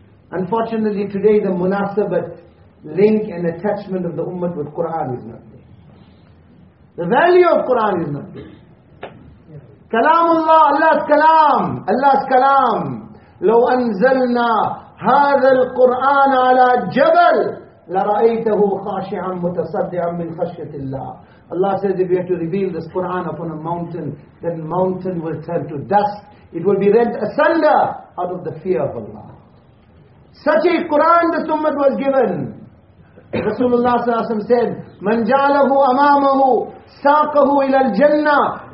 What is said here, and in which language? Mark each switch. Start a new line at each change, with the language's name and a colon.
English: Unfortunately, today the munasabat, link and attachment of the ummah with Quran is not there. The value of Quran is not there. Kalamullah, Allah's kalam.
Arabic: لو أنزلنا هذا القرآن على جبل لرأيته خاشعا متصدعا من خشية الله.
English: Allah says, if we have to reveal this Quran upon a mountain, then mountain will turn to dust. It will be rent asunder out of the fear of Allah. Such a Quran the ummah was given. Rasulullah sallallahu alaihi wasallam said,
Arabic: "Man jalahu amamahu, saqahu ila al-jannah."